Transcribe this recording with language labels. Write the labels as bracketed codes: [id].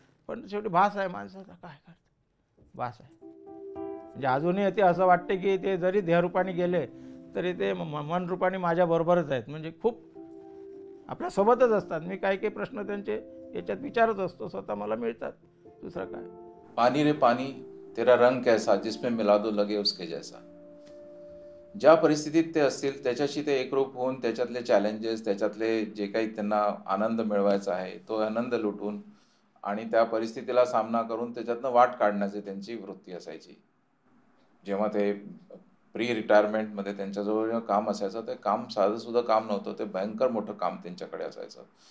[mr] पण शेवटी भास आहे माणसाचा, काय करते भास आहे. म्हणजे अजूनही ते असं वाटते की ते जरी देहरूपाने गेले तरी ते मनरूपाने माझ्याबरोबरच आहेत. म्हणजे खूप आपल्यासोबतच असतात. मी काही काही प्रश्न त्यांचे याच्यात विचारत असतो, स्वतः मला मिळतात. दुसरं काय, [hi] पाणी रे पाणी तेरा रंग कैसा, जिसमें मिला दो लगे उसके जैसा. [mr] ज्या परिस्थितीत ते असतील त्याच्याशी ते एकरूप होऊन त्याच्यातले चॅलेंजेस, त्याच्यातले जे काही त्यांना आनंद मिळवायचा आहे तो आनंद लुटून आणि त्या परिस्थितीला सामना करून त्याच्यातनं वाट काढण्याची त्यांची वृत्ती असायची. जेव्हा ते प्री रिटायरमेंटमध्ये त्यांच्याजवळ जेव्हा काम असायचं, ते काम साधंसुद्धा काम नव्हतं, ते भयंकर मोठं काम त्यांच्याकडे असायचं.